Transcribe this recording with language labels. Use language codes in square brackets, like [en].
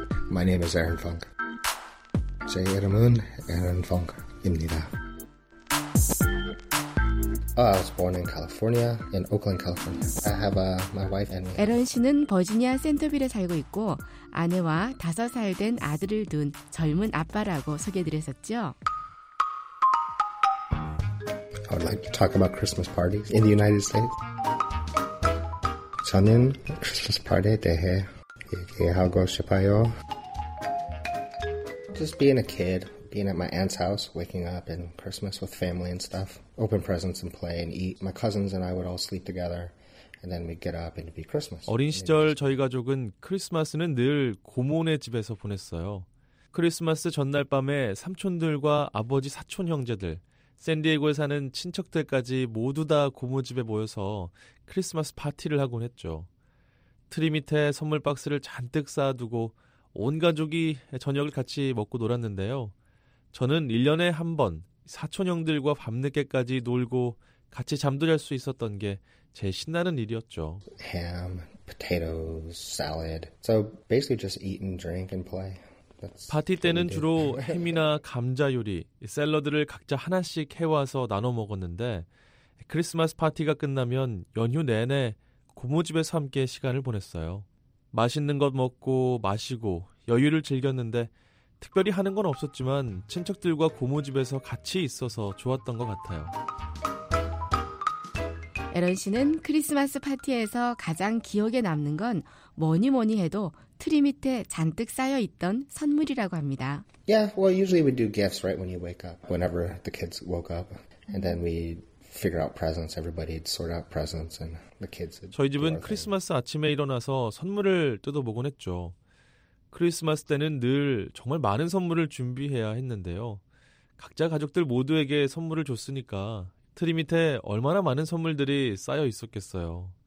[en] My name is Aaron Funk. [ko] 제 이름은 Aaron Funk입니다. [en] I was born in California, in Oakland, California. I have my wife and me. [ko] 에런 씨는 버지니아 센터빌에 살고 있고 아내와 5살 된 아들을 둔 젊은 아빠라고 소개드렸었죠. [en] I would like to talk about Christmas parties in the United States. [ko] 저는 크리스마스 파티에 대해 얘기하고 싶어요. [en] Just being a kid, being at my aunt's house, waking up and Christmas with family and stuff, open presents and play and eat. My cousins and I would all sleep together and then we'd get up and it'd be Christmas. [ko] 어린 시절 저희 가족은 크리스마스는 늘 고모네 집에서 보냈어요. 크리스마스 전날 밤에 삼촌들과 아버지 사촌 형제들, 샌디에고에 사는 친척들까지 모두 다 고모집에 모여서 크리스마스 파티를 하곤 했죠. 트리 밑에 선물 박스를 잔뜩 쌓아두고 온 가족이 저녁을 같이 먹고 놀았는데요. 저는 1년에 한 번 사촌형들과 밤늦게까지 놀고 같이 잠도 잘 수 있었던 게 제 신나는 일이었죠. [en] Ham, potatoes, salad. So basically just eat and drink and play. [ko] 파티 때는 주로 햄이나 감자 요리, 샐러드를 각자 하나씩 해와서 나눠 먹었는데 크리스마스 파티가 끝나면 연휴 내내 고모집에서 함께 시간을 보냈어요. 맛있는 것 먹고 마시고 여유를 즐겼는데 특별히 하는 건 없었지만 친척들과 고모집에서 같이 있어서 좋았던 것 같아요. 에런 씨는 크리스마스 파티에서 가장 기억에 남는 건 뭐니 뭐니 해도 트리 밑에 잔뜩 쌓여 있던 선물이라고 합니다. [en] Yeah, well, usually we do gifts right when you wake up. Whenever the kids woke up, and then we figure out presents. Everybody'd sort out presents, and the kids. [ko] 저희 집은 크리스마스 아침에 일어나서 선물을 뜯어보곤 했죠. 크리스마스 때는 늘 정말 많은 선물을 준비해야 했는데요. 각자 가족들 모두에게 선물을 줬으니까 트리 밑에 얼마나 많은 선물들이 쌓여 있었겠어요.